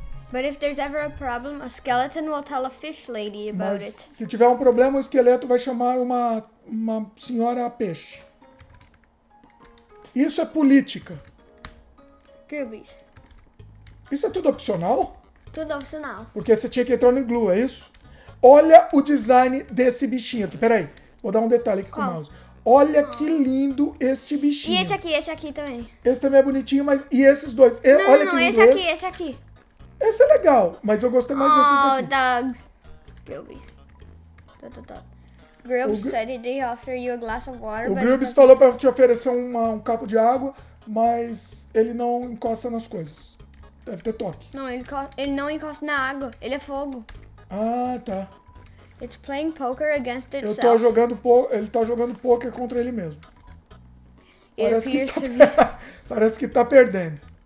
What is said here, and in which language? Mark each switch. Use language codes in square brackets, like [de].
[en] But if there's ever a problem, a skeleton will tell a fish lady about it. [pt] Se tiver um problema, o esqueleto vai chamar uma senhora a peixe. Isso é política. Groobies. Isso é tudo opcional? Tudo opcional. Porque você tinha que entrar no iglu, é isso? Olha o design desse bichinho aqui. Peraí, vou dar um detalhe aqui com o mouse. Olha que lindo este bichinho. E esse aqui também. Esse também é bonitinho, mas... e esses dois? Esse aqui. Esse é legal, mas eu gostei mais desses aqui. [en] Oh, dogs. Groobies. Groobies said they offer you a glass of water. [pt] O Groobies falou pra te oferecer um copo de água. Mas ele não encosta nas coisas. Deve ter toque. Não, ele não encosta na água. Ele é fogo. Ah, tá. [en] It's playing poker against itself. [pt] Ele tá jogando poker contra ele mesmo. Parece que tá perdendo.